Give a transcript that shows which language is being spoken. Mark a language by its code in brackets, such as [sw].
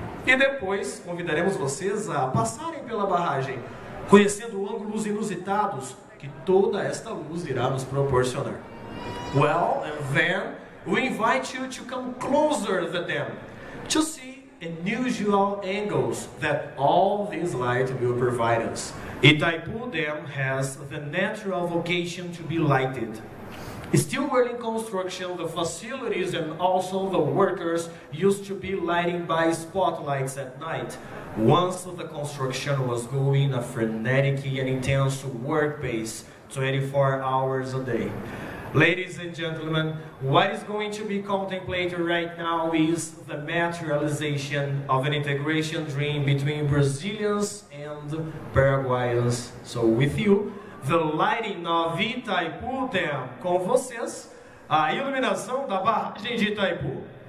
[pt] E depois convidaremos vocês a passarem pela barragem, conhecendo ângulos inusitados que toda esta luz irá nos proporcionar. [en] Well, and then we invite you to come closer to the dam to see unusual angles that all this light will provide us. Itaipu Dam has the natural vocation to be lighted. Still working construction, the facilities and also the workers used to be lighting by spotlights at night. Once the construction was going a frenetic and intense work pace, 24 hours a day. Ladies and gentlemen, what is going to be contemplated right now is the materialization of an integration dream between Brazilians and Paraguayans. So with you, the lighting of Itaipu Dam. [pt] Com vocês, a iluminação da barragem de Itaipu.